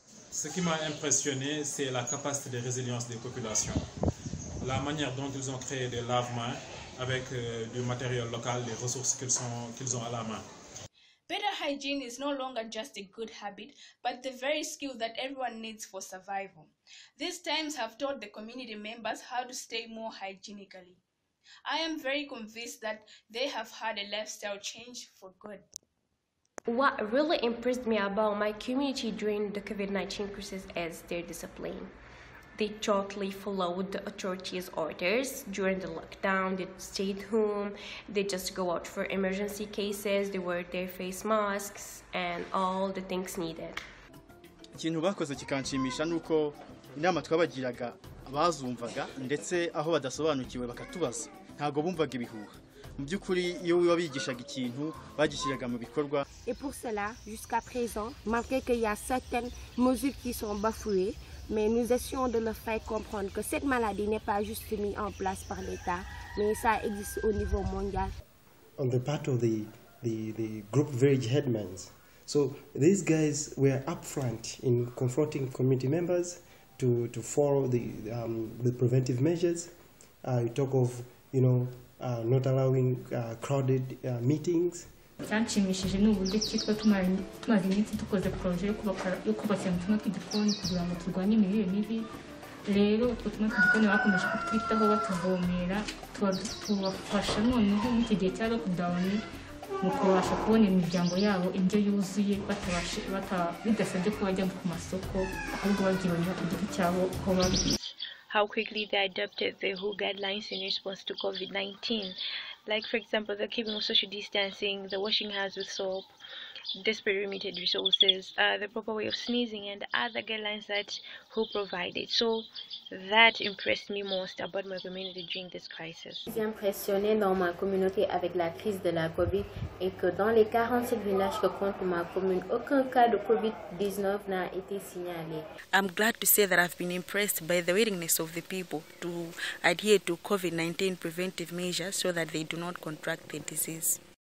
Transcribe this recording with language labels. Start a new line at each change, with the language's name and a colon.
French: Ce qui m'a impressionné, c'est la capacité de résilience des populations. La manière dont ils ont créé des lave-mains avec du matériel local, les ressources qu'ils ont à la main.
English: Better hygiene is no longer just a good habit, but the very skill that everyone needs for survival. These times have taught the community members how to stay more hygienically. I am very convinced that they have had a lifestyle change for good. What really impressed me about my community during the COVID-19 crisis is their discipline. They totally followed the authorities' orders during the lockdown. They stayed home. They just go out for emergency cases. They wear their face masks and all the things needed.
Kinyarwanda: Ikintu bakoze kikanshimisha nuko inama twabagiraga bazumvaga ndetse aho badasobanukiwe bakatubaza. Ntago bumvaga ibihuha. Mu byukuri iyo wabigishaga ikintu bagishyiraga mu bikorwa.
French: Et pour cela, jusqu'à présent, malgré qu'il y a certaines mesures qui sont bafouées, mais nous essayons de leur faire comprendre que cette maladie n'est pas juste mise en place par l'État, mais ça existe au niveau mondial.
English: On the part of the group village headmen, so these guys were upfront in confronting community members to follow the preventive measures. You talk of not allowing crowded meetings.
Kinyarwanda: Byanshimishije ni uburyo kitwa tumaze iminsi dukoze projet yo kubakira mu tuma tw'igikoni kugira ngo turwanye imirire mibi. Rero utwo tuma tw'igikoni bakomeje kutwitaho batuvomera, tubafasha noneho muri iki gihe cya lockdown mu kubasha kubona imiryango yabo indyo yuzuye bidasabye ko bajya ku masoko, ahubwo babyibonera ku giti cyabo uko babi.
English: How quickly they adopted the WHO guidelines in response to COVID-19. Like, for example, the keeping of social distancing, the washing hands with soap, desperate limited resources, the proper way of sneezing, and other guidelines that WHO provided. So that impressed me most about my community during this crisis.
French: J'ai impressionné dans ma communauté avec la crise de la COVID et que dans les 47 villages que compte ma commune, aucun cas de COVID-19 n'a été signalé.
English: I'm glad to say that I've been impressed by the willingness of the people to adhere to COVID-19 preventive measures so that they do not contract the disease.